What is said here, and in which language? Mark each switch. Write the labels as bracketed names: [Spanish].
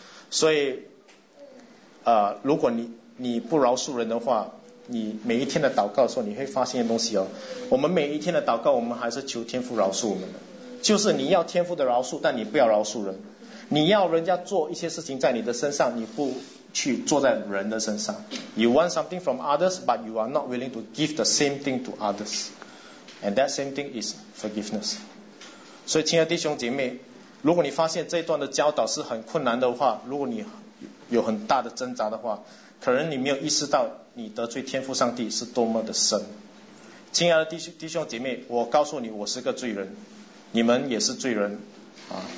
[Chinese] 所以如果你不饶恕人的话，你每一天的祷告的时候，你会发现的东西哦，我们每一天的祷告，我们还是求天父饶恕我们的，就是你要天父的饶恕，但你不要饶恕人。你要人家做一些事情在你的身上，你不去做在人的身上。 [English] You want something from others, but you are not willing to give the same thing to others, and that same thing is forgiveness. [Chinese] 所以亲爱的弟兄姐妹，如果你发现这一段的教导是很困难的话，如果你有很大的挣扎的话，可能你没有意识到你得罪天父上帝是多么的深。亲爱的弟兄姐妹，我告诉你，我是个罪人，你们也是罪人啊！